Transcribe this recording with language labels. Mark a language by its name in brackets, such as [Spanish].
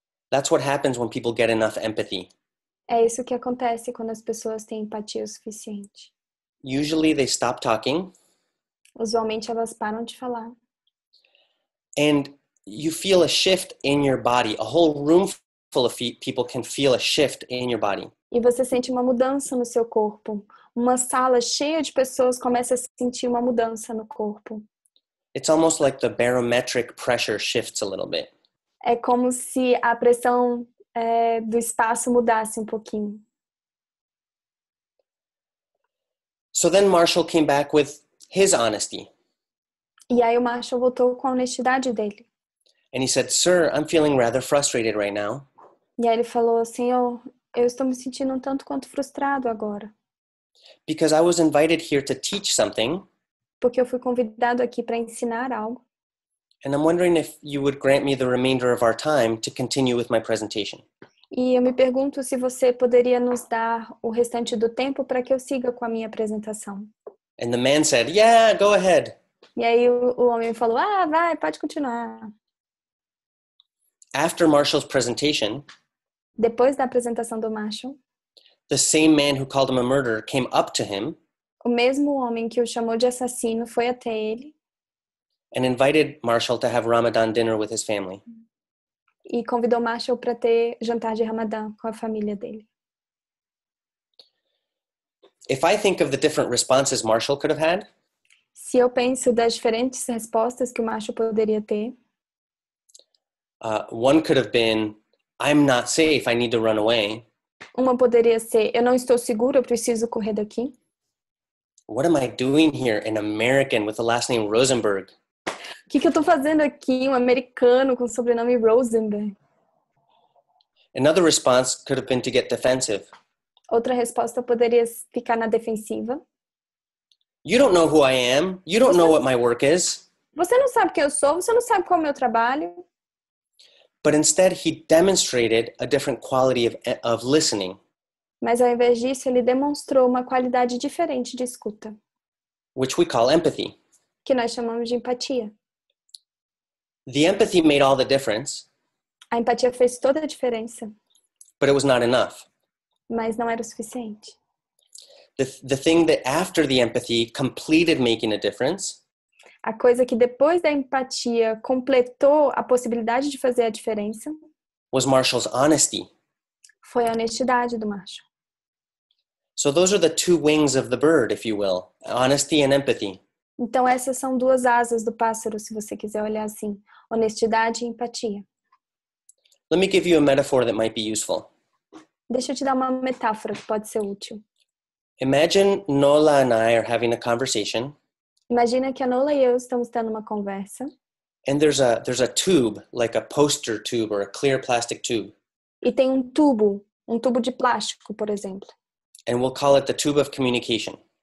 [English] That's what happens when people get enough empathy. [Portuguese] É isso que acontece quando as pessoas têm empatia o suficiente. [English] Usually they stop talking. [Portuguese] Usualmente elas param de falar. [English] And you feel a shift in your body. A whole room full of people can feel a shift in your body. [Portuguese] E você sente uma mudança no seu corpo. Uma sala cheia de pessoas começa a sentir uma mudança no corpo. [English] It's almost like the barometric pressure shifts a little bit. [Portuguese] É como se a pressão do espaço mudasse um pouquinho. [English] So then Marshall came back with his honesty. [Portuguese] E aí o Marshall voltou com a honestidade dele. [English] And he said, "Sir, I'm feeling rather frustrated right now." [Portuguese] E aí ele falou, "Senhor, eu estou me sentindo um tanto quanto frustrado agora." [English] "Because I was invited here to teach something." [Portuguese] Porque eu fui convidado aqui para ensinar algo. [English] "And I'm wondering if you would grant me the remainder of our time to continue with my presentation." [Portuguese] E eu me pergunto se você poderia nos dar o restante do tempo para que eu siga com a minha apresentação. [English] And the man said, "Yeah, go ahead." [Portuguese] E aí o homem falou, "Ah, vai, pode continuar." [English] After Marshall's presentation, [Portuguese] depois da apresentação do Marshall, [English] the same man who called him a murderer came up to him, [Portuguese] o mesmo homem que o chamou de assassino foi até ele, [English] and invited Marshall to have Ramadan dinner with his family. [Portuguese] e convidou Marshall para ter jantar de Ramadã com a família dele. [English] If I think of the different responses Marshall could have had, [Portuguese] se eu penso das diferentes respostas que o Marshall poderia ter, [English] One could have been, I'm not safe, I need to run away. [Portuguese] Uma poderia ser, eu não estou seguro, eu preciso correr daqui. [English] What am I doing here, an American with the last name Rosenberg? [Portuguese] O que eu estou fazendo aqui, um americano com o sobrenome Rosenberg? [English] Another response could have been to get defensive. [Portuguese] Outra resposta poderia ficar na defensiva. [English] You don't know who I am, you don't know what my work is. [Portuguese] Você não sabe quem eu sou, você não sabe qual é o meu trabalho. [English] But instead, he demonstrated a different quality of listening. [Portuguese] Mas ao invés disso, ele demonstrou uma qualidade diferente de escuta. [English] Which we call empathy. [Portuguese] Que nós chamamos de empatia. [English] The empathy made all the difference. [Portuguese] A empatia fez toda a diferença. [English] But it was not enough. [Portuguese] Mas não era o suficiente. [English] The thing that after the empathy completed making a difference. [Portuguese] A coisa que depois da empatia completou a possibilidade de fazer a diferença [English] was Marshall's honesty. [Portuguese] Foi a honestidade do Marshall. [English] So those are the two wings of the bird, if you will. Honesty and empathy. [Portuguese] Então essas são duas asas do pássaro, se você quiser olhar assim. Honestidade e empatia. [English] Let me give you a metaphor that might be useful. [Portuguese] Deixa eu te dar uma metáfora que pode ser útil. [English] Imagine Nola and I are having a conversation. [Portuguese] Imagina que a Nola e eu estamos tendo uma conversa. [English] And there's a tube, like a poster tube or a clear plastic tube. [Portuguese] E tem um tubo de plástico, por exemplo. [English] And we'll call it the tube of communication.